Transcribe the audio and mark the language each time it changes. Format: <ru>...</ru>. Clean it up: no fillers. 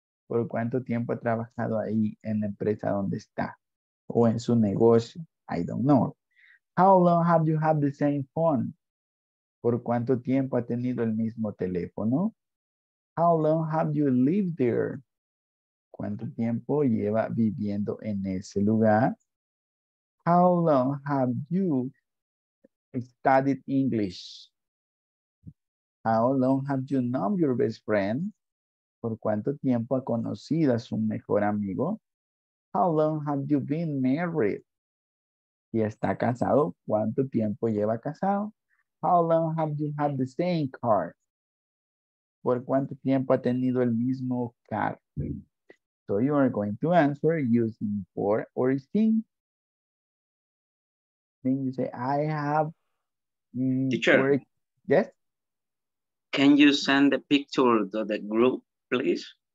<es>¿Por cuánto tiempo ha trabajado ahí en la empresa donde está? ¿O en su negocio?</es> <en>I don't know. How long have you had the same phone?</en> <es>¿Por cuánto tiempo ha tenido el mismo teléfono?</es> <en>How long have you lived there?</en> <es>¿Cuánto tiempo lleva viviendo en ese lugar?</es> <en>How long have you studied English? How long have you known your best friend?</en> <es>¿Por cuánto tiempo ha conocido a su mejor amigo?</es> <en>How long have you been married?</en> <es>Si está casado, ¿cuánto tiempo lleva casado?</es> <en>How long have you had the same car?</en> <es>¿Por cuánto tiempo ha tenido el mismo carro?</es> <en>So you are going to answer using for or sin. Then you say, I have... Teacher. Worked. Yes? Can you send the picture to the group, please?</en>